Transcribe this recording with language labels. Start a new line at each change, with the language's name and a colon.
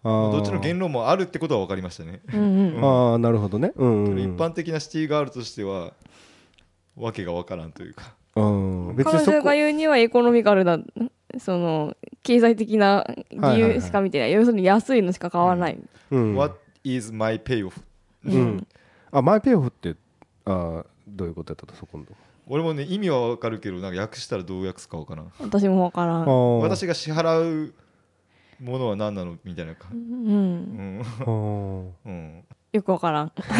Japanese: どっちの言論もあるってことは分かりましたね、うんうんうん、あなるほどね、うんうん、一般的なシティガールとしてはわけが分からんというか、うん、別にそこ彼女が言うにはエコノミカルなその経済的な理由しか見てない、はいはいはい、要するに安いのしか買わない、
English: うんうん、What is my payoff?
Japanese: うん、あマイペイオフってあどういうことやったとそこの俺もね意味は分かるけどなんか訳したらどう訳すか分からん私も分からん私が支払うものは何なのみたいな感じ、うんうんうん、よく分からん